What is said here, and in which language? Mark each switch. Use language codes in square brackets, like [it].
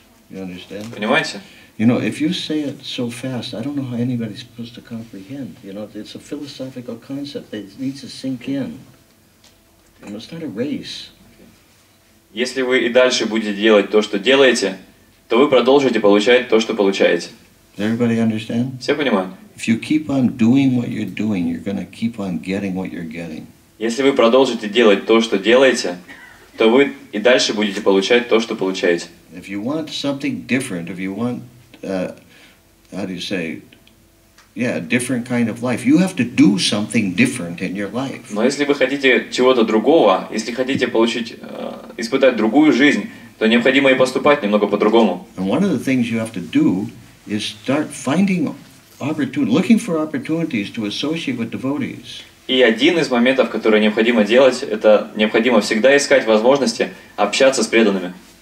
[en] You understand? [ru] Понимаете? [en] You know, if you say it so fast, I don't know how anybody's supposed to comprehend. You know, it's a philosophical concept that needs to sink in. You know, it's not a race. [ru] Если вы и дальше будете делать то, что делаете, то вы продолжите получать то, что получаете. [en] Does everybody understand? [ru] Все понимают? [en] If you keep on doing what you're doing, you're going to keep on getting what you're getting. [ru] Если вы продолжите делать то, что делаете, то вы и дальше будете получать то, что получаете. [en] If you want something different, if you want different kind of life, you have to do something different in your life. [ru] Но если вы хотите чего-то другого, если хотите получить испытать другую жизнь, то необходимо и поступать немного по-другому. [en] And one of the things you have to do is start finding looking for opportunities to associate with devotees. [ru] И один из моментов, который необходимо делать, это необходимо всегда искать возможности общаться с преданными.